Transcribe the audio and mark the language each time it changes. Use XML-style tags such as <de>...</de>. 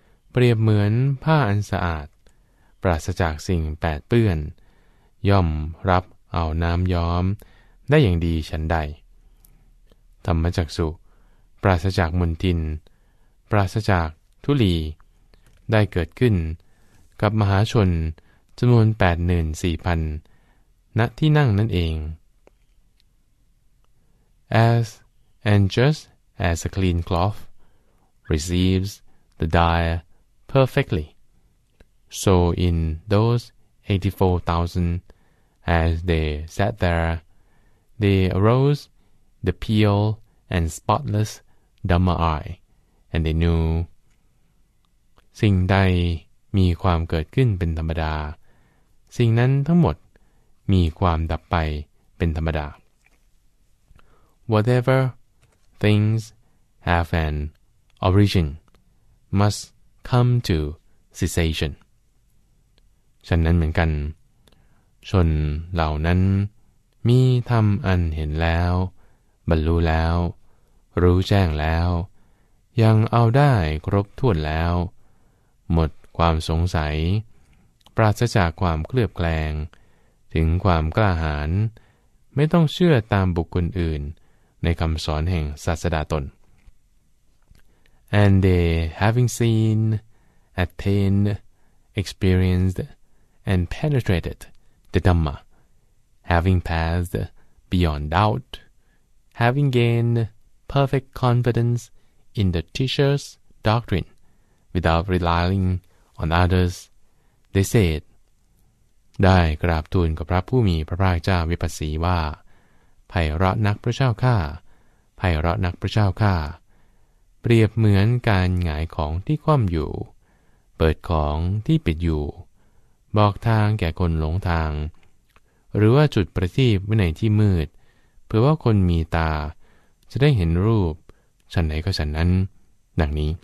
<th>เปรียบเหมือนผ้าอันสะอาดปราศจากสิ่งแปดเปื้อนย่อมรับเอาน้ำย้อมได้อย่างดีฉันใดธรรมจักขุปราศจากมลทินปราศจากทุลีได้เกิดขึ้นกับมหาชนจำนวน 84,000 ณที่นั่งนั่นเอง</th> <en>As and just as a clean cloth receives the dye perfectly so in those 84,000 as they sat thereThey arose the pure and spotless Dhamma eye, and they knew.</en> <th>สิ่งใดมีความเกิดขึ้นเป็นธรรมดาสิ่งนั้นทั้งหมดมีความดับไปเป็นธรรมดา</th> <en>Whatever things have an origin must come to cessation.</en> <th>ฉันนั้นเหมือนกันชนเหล่านั้นมีธรรมอันเห็นแล้วบรรลุแล้วรู้แจ้งแล้วยังเอาได้ครบถ้วนแล้วหมดความสงสัยปราศจากความเคลือบแคลงถึงความกล้าหาญไม่ต้องเชื่อตามบุคคลอื่นในคำสอนแห่งศาสดาตน</th> <en>And they having seen, attained, experienced, and penetrated the Dhamma having passed beyond doubt, having gained perfect confidence in the teacher's doctrine without relying on others, they said,</en> <th>ได้กราบทูลกับพระผู้มีพระภาคเจ้าวิปัสสีว่าไพเราะนักพระเจ้าข้าไพเราะนักพระเจ้าข้าเปรียบเหมือนการหงายของที่คว่ำอยู่เปิดของที่ปิดอยู่บอกทางแก่คนหลงทางหรือว่าจุดประทีปไว้ในที่มืดเพื่อว่าคนมีตาจะได้เห็นรูปฉันไหนก็ฉันนั้นดังนี</th>